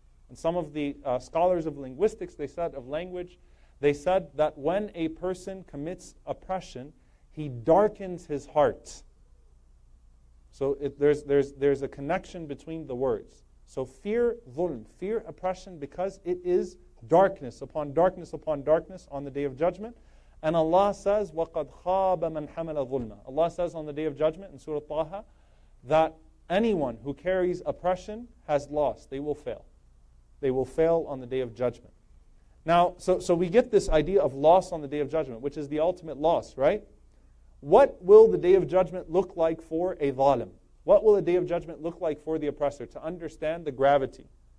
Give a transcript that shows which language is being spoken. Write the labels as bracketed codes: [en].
[en] And some of the scholars of linguistics, they said, of language, they said that when a person commits oppression, he darkens his heart. So there's a connection between the words. So fear vulm, fear oppression, because it is darkness upon darkness upon darkness on the Day of Judgment. And Allah says, [ar] وَقَدْ خَابَ مَنْ حَمَلَ ظُلْمًا. [en] Allah says on the Day of Judgment in Surah Taha that anyone who carries oppression has lost. They will fail. They will fail on the Day of Judgment. Now, so we get this idea of loss on the Day of Judgment, which is the ultimate loss, right? What will the Day of Judgment look like for a ظالم? What will the Day of Judgment look like for the oppressor to understand the gravity?